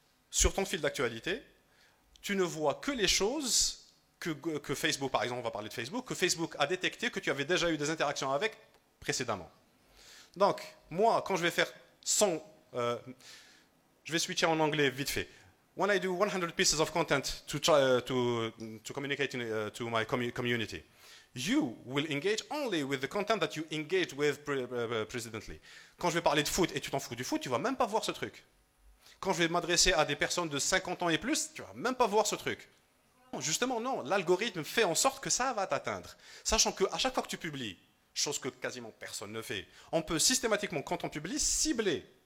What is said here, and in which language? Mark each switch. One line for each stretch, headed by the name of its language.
French: Sur ton fil d'actualité, tu ne vois que les choses... Que Facebook, par exemple, on va parler de Facebook, que Facebook a détecté que tu avais déjà eu des interactions avec précédemment. Donc, moi, quand je vais faire 100, je vais switcher en anglais vite fait.
English: When I do 100 pieces of content to communicate to my community, you will engage only with the content that you engaged with precedently.
French: Quand je vais parler de foot et tu t'en fous du foot, tu vas même pas voir ce truc. Quand je vais m'adresser à des personnes de 50 ans et plus, tu vas même pas voir ce truc. Justement, non, l'algorithme fait en sorte que ça va t'atteindre. Sachant qu'à chaque fois que tu publies, chose que quasiment personne ne fait, on peut systématiquement, quand on publie, cibler.